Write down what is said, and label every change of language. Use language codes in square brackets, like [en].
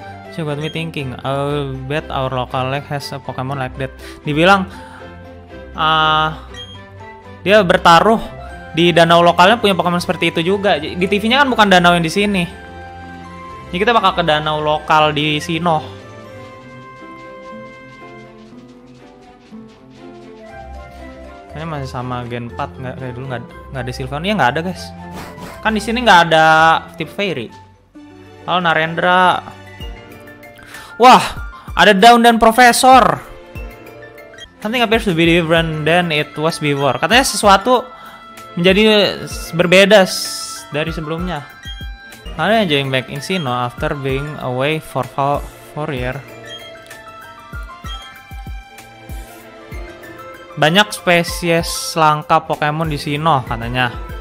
[en] So got me thinking, I'll bet our local lake has a Pokemon like that. [id] Dibilang dia bertaruh di danau lokalnya punya Pokemon seperti itu juga. Di TV-nya kan bukan danau yang di sini. Jadi kita bakal ke danau lokal di Sinnoh. Kayaknya masih sama Gen 4, nggak kayak dulu nggak ada Sylveon. Iya nggak ada, guys. Kan di sini nggak ada tip Fairy. Halo Narendra. Wah, ada Dawn dan Profesor. [en] Something appears to be different than it was before. [id] Katanya sesuatu menjadi berbeda dari sebelumnya. [en] Are you enjoying back in Sinnoh after being away for 4 years? [id] Banyak spesies langka Pokemon di Sinnoh katanya.